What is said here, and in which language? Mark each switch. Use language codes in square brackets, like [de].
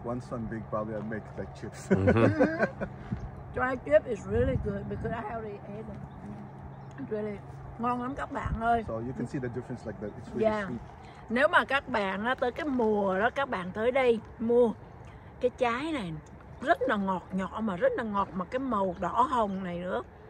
[en] Once I'm big, probably I'll make like chips. Dry chip is really good because I already ate them. [vi] Really, ngon lắm các bạn ơi. [en] So you can see the difference, like that. It's really sweet. [vi] Nếu mà các bạn tới cái mùa đó, các bạn tới đây mua cái trái này. Rất là ngọt, nhỏ mà rất là ngọt, mà cái màu đỏ hồng này nữa.